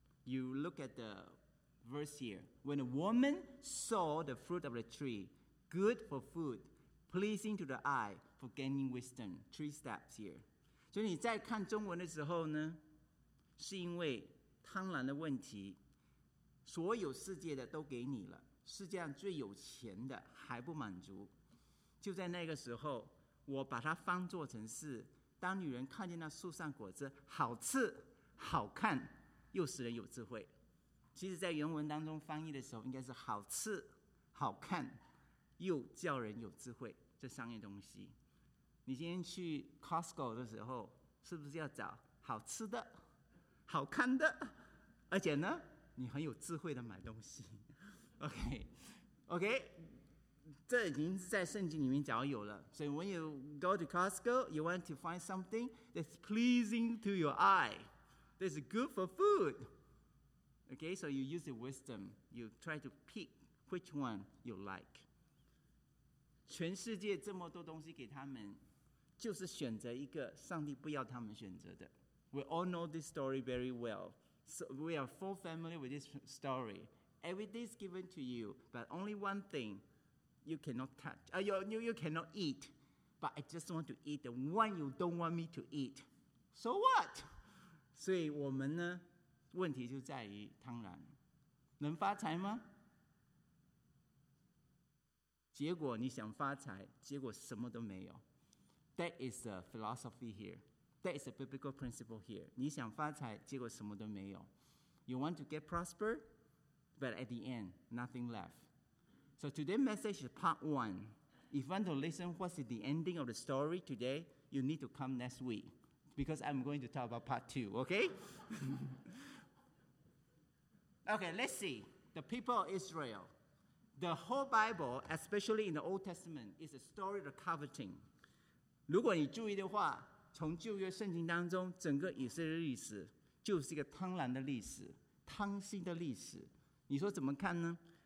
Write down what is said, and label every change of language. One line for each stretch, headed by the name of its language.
English: You look at the verse here. When a woman saw the fruit of the tree, good for food, pleasing to the eye, for gaining wisdom. Three steps here.
Chinese: 所以你在看中文的时候呢， 是因为贪婪的问题， 所有世界的都给你了， 世界上最有钱的还不满足。就在那个时候， 我把它翻作成是， 当女人看见那树上果子，好吃好看，又使人有智慧。其实，在原文当中翻译的时候，应该是好吃好看，又叫人有智慧。这三样东西，你今天去 Costco 的时候，是不是要找好吃的、好看的，而且呢，你很有智慧的买东西。OK， 这已经是在圣经里面讲有了。
English: So when you go to Costco, you want to find something that's pleasing to your eye, that's good for food. Okay, so you use the wisdom. You try to pick which one you like.
Chinese: 全世界这么多东西给他们，就是选择一个上帝不要他们选择的。
English: We all know this story very well. So we are full family with this story. Everything is given to you, but only one thing you cannot touch. You cannot eat. But I just want to eat the one you don't want me to eat. So what?
Chinese: 所以我们呢， 问题就在于贪婪。能发财吗？结果你想发财， 结果什么都没有。
English: That is the philosophy here. That is the biblical principle here.
Chinese: 你想发财， 结果什么都没有。
English: You want to get prosper, but at the end, nothing left. So today's message is part one. If you want to listen what's the ending of the story today, you need to come next week. Because I'm going to talk about part two, okay? Okay, let's see. The people of Israel. The whole Bible, especially in the Old Testament, is a story of coveting.
Chinese: 如果你注意的话， 从旧约圣经当中， 整个以色列历史， 就是一个贪婪的历史， 贪心的历史。你说怎么看呢？